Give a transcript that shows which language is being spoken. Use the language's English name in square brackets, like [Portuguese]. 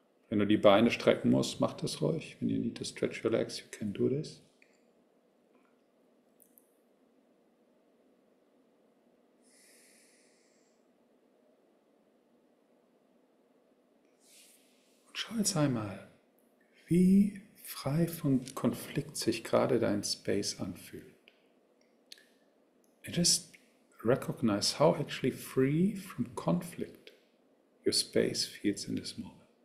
[German] Wenn du die Beine strecken musst, mach das ruhig. [English] Wenn you need to stretch your legs, you can do this. [German] Und schau jetzt einmal, wie frei von Konflikt sich gerade dein Space anfühlt. [English] And just recognize how actually free from conflict your space feels in this moment.